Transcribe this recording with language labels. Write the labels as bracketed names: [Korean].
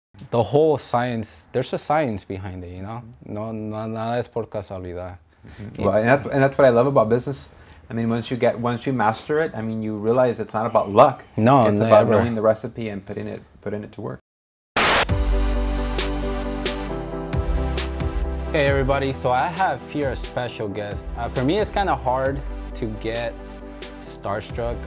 [English] The whole science, there's a science behind it, you know? [Spanish] No, no, nada es por casualidad. Mm-hmm. [English] Well, and that's what I love about business. I mean, once you master it, I mean, you realize it's not about luck. No, it's never. About knowing the recipe and putting it to work. Hey, everybody. So I have here a special guest. For me, it's kind of hard to get starstruck.